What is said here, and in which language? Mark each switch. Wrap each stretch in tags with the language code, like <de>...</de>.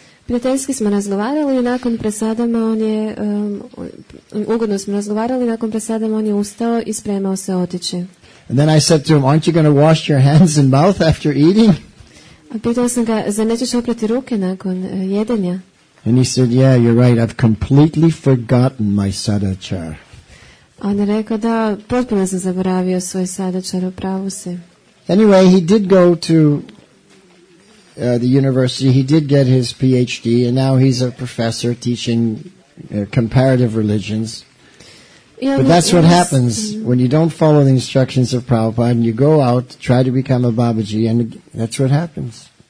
<hr>Prijateljski smo razgovarali i nakon prasadama on je, ugodno smo razgovarali, nakon prasadama on je ustao i spremao se otići.</hr> <en>And then I said to him, aren't you going to wash your hands and mouth after eating?</en> <hr>Pitao sam ga, zar nećeš oprati ruke nakon jedenja?</hr> <en>And he said, yeah, you're right, I've completely forgotten my sadachar.</en> <hr>On je rekao, da, potpuno sam zaboravio svoj sadachar, upravo si.</hr> <en>Anyway, he did go to the university, he did get his PhD, and now he's a professor teaching comparative religions. But that's what happens when you don't follow the instructions of Prabhupada and you go out to try to become a babaji, and that's what happens.</en>